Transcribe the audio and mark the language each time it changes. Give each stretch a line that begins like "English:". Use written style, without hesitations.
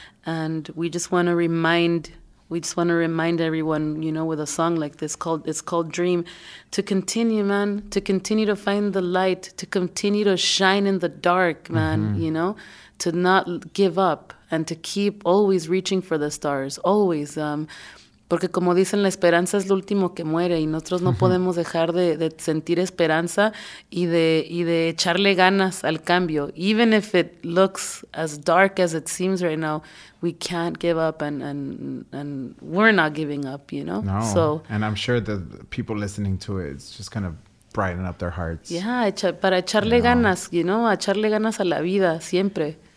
English: And we just want to remind everyone, you know, with a song like this called, it's called Dream, to continue, man, to continue to find the light, to continue to shine in the dark, man, you know, to not give up and to keep always reaching for the stars, always.
Spanish: Porque como dicen, la esperanza es lo último que muere, y nosotros no podemos dejar de sentir esperanza y de echarle ganas al cambio.
English: Even if it looks as dark as it seems right now, we can't give up, and we're not giving up, you know? No. So, and I'm sure the people listening to it, it's just kind of brighten up their hearts.
Spanish: Yeah, para echarle ganas,
English: you know,
Spanish: echarle ganas a la vida, siempre.